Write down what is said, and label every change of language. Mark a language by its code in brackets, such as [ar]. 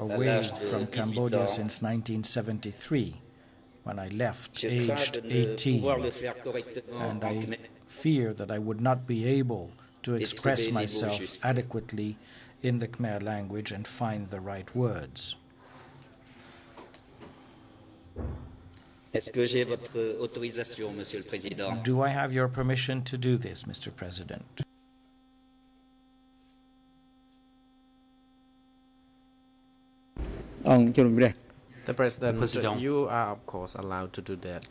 [en] away from Cambodia since 1973, when I left aged 18, and I fear that I would not be able to express myself adequately in the Khmer language and find the right words. [fr] Est-ce que j'ai votre autorisation, Monsieur le Président? [en] Do I have your permission to do this, Mr. President? The President, you are, of course, allowed to do that.